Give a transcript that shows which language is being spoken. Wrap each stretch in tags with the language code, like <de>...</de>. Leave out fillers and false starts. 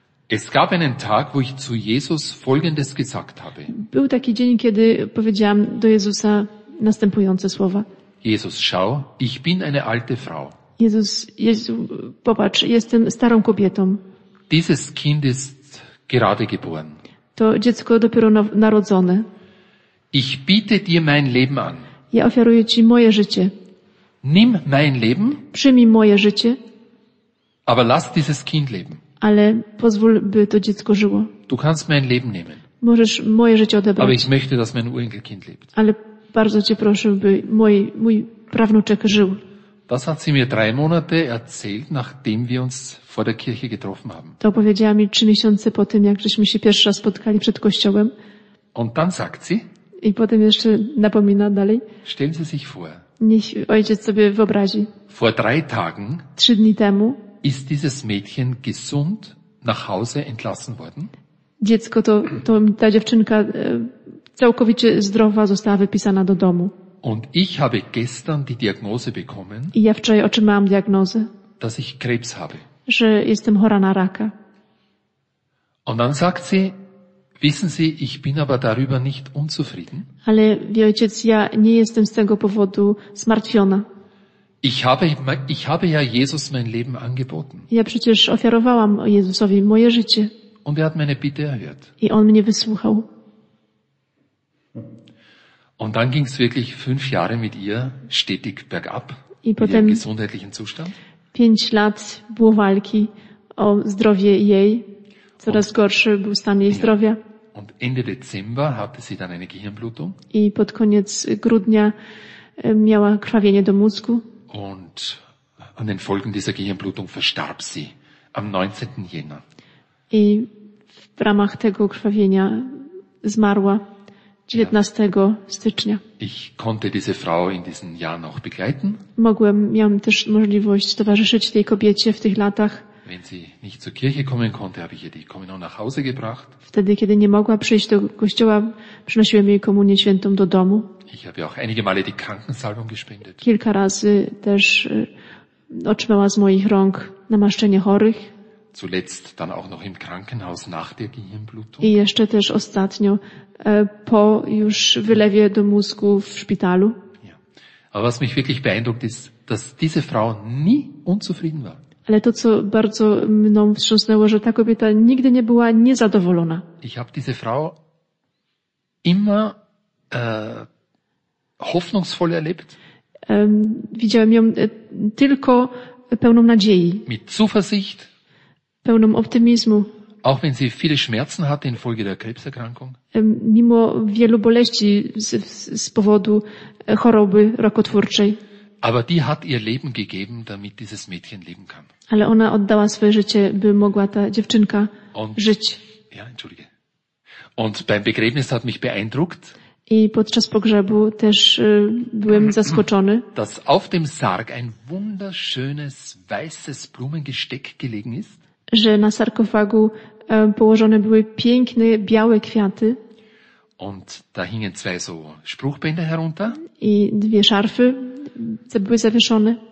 <de>Es gab einen Tag, wo ich zu Jesus folgendes gesagt habe.</de> <pl>Był taki dzień, kiedy powiedziałam do Jezusa następujące słowa.</pl> <de>Jesus, schau, ich bin eine alte Frau.</de> <pl>Jezus, Jezu, popatrz, jestem starą kobietą.</pl> <de>Dieses Kind ist gerade geboren.</de> <pl>To dziecko dopiero narodzone.</pl> <de>Ich biete dir mein Leben an.</de> <pl>Ja oferuję ci moje życie.</pl> <de>Nimm mein Leben.</de> <pl>Przyjmij moje życie.</pl> <de>Aber lass dieses Kind leben.</de> <pl>Ale pozwól, by to dziecko żyło.</pl> <de>Du kannst mein Leben nehmen.</de> <pl>Możesz moje życie odebrać.</pl> <de>Aber ich möchte, dass mein Urenkelkind lebt.</de> <pl>Ale bardzo cię proszę, by mój prawnuczek żył.</pl> <de>Das hat sie mir 3 Monate erzählt, nachdem wir uns vor der Kirche getroffen haben.</de> <pl>To powiedziała mi 3 miesiące po tym, jak żeśmy się pierwszy raz spotkali przed kościołem.</pl> <de>Und dann sagt sie.</de> <pl>I potem jeszcze napomina dalej.</pl> <de>Stellen Sie sich vor.</de> <pl>Niech ojciec sobie wyobrazi.</pl> <de>Vor 3 Tagen.</de> <pl>3 dni temu.</pl> <de>Ist dieses Mädchen gesund nach Hause entlassen worden?</de> <pl>Dziecko to ta dziewczynka całkowicie zdrowa została wypisana do domu.</pl> <de>Und ich habe gestern die Diagnose bekommen.</de> <pl>I ja wczoraj otrzymałam diagnozę.</pl> <de>Dass ich Krebs habe.</de> <pl>Że jestem chora na raka.</pl> <de>Und dann sagt sie. Wissen Sie, ich bin aber darüber nicht unzufrieden.</de> <pl>Ale wie ojciec, ja nie jestem z tego powodu zmartwiona.</pl> <de>Ich habe ja Jesus mein Leben angeboten.</de> <pl>Ja przecież ofiarowałam Jezusowi moje życie.</pl> <de>Und er hat meine Bitte erhört.</de> <pl>I on mnie wysłuchał.</pl> <de>Und dann ging's wirklich 5 Jahre mit ihr stetig bergab.</de> <pl>I potem</pl> <de>ihrem gesundheitlichen Zustand.</de> <pl>5 lat było walki o zdrowie jej. Coraz gorszy był stan jej zdrowia.</pl> <de>Und Ende Dezember hatte sie dann eine Gehirnblutung.</de> <pl>I pod koniec grudnia miała krwawienie do mózgu.</pl> <de>Und an den Folgen dieser Gehirnblutung verstarb sie am 19. Jänner.</de> <pl>I w ramach tego krwawienia zmarła 19. stycznia.</pl> <de>Ich konnte diese Frau in diesen Jahren auch begleiten.</de> <pl>Miałam też możliwość towarzyszyć tej kobiecie w tych latach.</pl> <de>Wenn sie nicht zur Kirche kommen konnte, habe ich ihr die Kommunion nach Hause gebracht.</de> <pl>Wtedy, kiedy nie mogła przyjść do kościoła, przynosiłem jej Komunię Świętą do domu.</pl> <de>Ich habe auch einige Male die Krankensalbung gespendet.</de> <pl>Kilka razy też otrzymała z moich rąk namaszczenie chorych.</pl> <de>Zuletzt dann auch noch im Krankenhaus nach der Gehirnblutung.</de> <pl>I jeszcze też ostatnio po już wylewie do mózgu w szpitalu.</pl> <de>Ja. Aber was mich wirklich beeindruckt ist, dass diese Frau nie unzufrieden war.</de> <pl>Ale to, co bardzo mną wstrząsnęło, że ta kobieta nigdy nie była niezadowolona.</pl> <de>Ich habe diese Frau immer hoffnungsvoll erlebt.</de> <pl>Widziałem ją tylko pełną nadziei.</pl> <de>Mit Zuversicht.</de> <pl>Pełną optymizmu.</pl> <de>Auch wenn sie viele Schmerzen hatte infolge der Krebserkrankung.</de> <pl>Mimo wielu boleści z powodu choroby rakotwórczej.</pl> <de>Aber die hat ihr Leben gegeben, damit dieses Mädchen leben kann.</de> <pl>Ale ona oddała swoje życie, by mogła ta dziewczynka żyć.</pl> <de>Ja, entschuldige. Und beim Begräbnis hat mich beeindruckt.</de> <pl>I podczas pogrzebu też byłem zaskoczony.</pl> <de>Dass auf dem Sarg ein wunderschönes weißes Blumengesteck gelegen ist.</de> <pl>Że na sarkofagu położone były piękne białe kwiaty.</pl> <de>Und da hingen 2 so Spruchbänder herunter.</de> <pl>I 2 szarfy były zawieszone.</pl>